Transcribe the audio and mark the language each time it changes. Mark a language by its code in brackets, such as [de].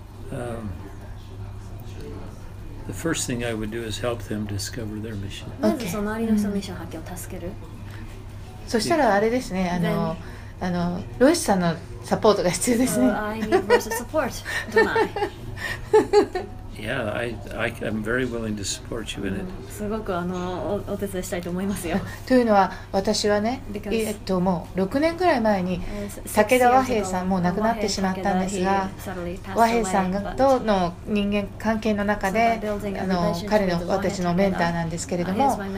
[en] The first thing I would do is help them discover their mission. [ja] まずその周りの人のミッション発見を助ける。そしたらあれですね、ロイスさんのサポートが必要ですね。 [en] I need Royce's support, don't I? Yeah, I'm very willing to support you in it. [ja] すごくお手伝いしたいと思いますよ。というのは私はね、もう6年くらい前に武田和平さんも亡くなってしまったんですが、和平さんとの人間関係の中で彼の私のメンターなんですけれども、